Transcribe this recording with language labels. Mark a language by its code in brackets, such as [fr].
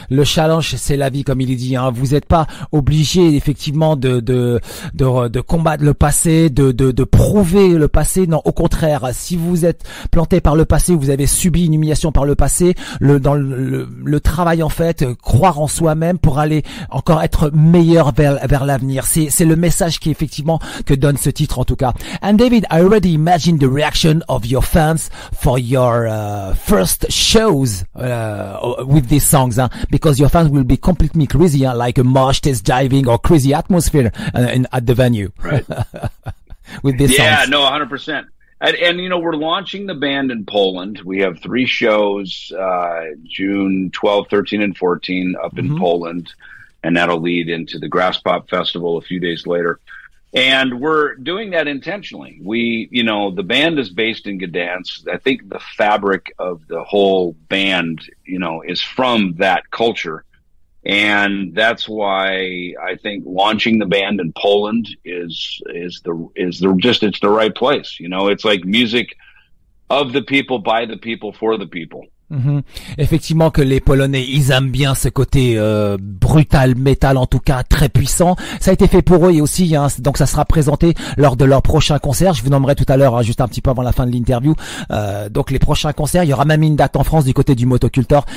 [fr] Le challenge, c'est la vie, comme il dit. Hein. Vous n'êtes pas obligé, effectivement, de combattre le passé, de prouver le passé. Non, au contraire, si vous êtes planté par le passé, vous avez subi une humiliation par le passé. Le travail, en fait, croire en soi-même pour aller encore être meilleur vers l'avenir. C'est le message qui, effectivement, que donne ce titre, en tout cas. [en] And David, I already imagine the reaction of your fans for your first shows with this song. Because your fans will be completely crazy, like a mosh test diving or crazy atmosphere at the venue. Right. With this, yeah, songs. No, 100%. And you know, we're launching the band in Poland. We have three shows June 12, 13, and 14 up in mm-hmm. Poland, and that'll lead into the Grass Pop Festival a few days later. And we're doing that intentionally. We, you know, the band is based in Gdansk. I think the fabric of the whole band, you know, is from that culture. And that's why I think launching the band in Poland is the right place. You know, it's like music of the people, by the people, for the people. Mm-hmm. [fr] Effectivement que les Polonais, ils aiment bien ce côté brutal metal, en tout cas très puissant. Ça a été fait pour eux aussi, hein, donc ça sera présenté lors de leur prochain concert. Je vous nommerai tout à l'heure, hein, juste un petit peu avant la fin de l'interview. Donc les prochains concerts, il y aura même une date en France du côté du Motocultor.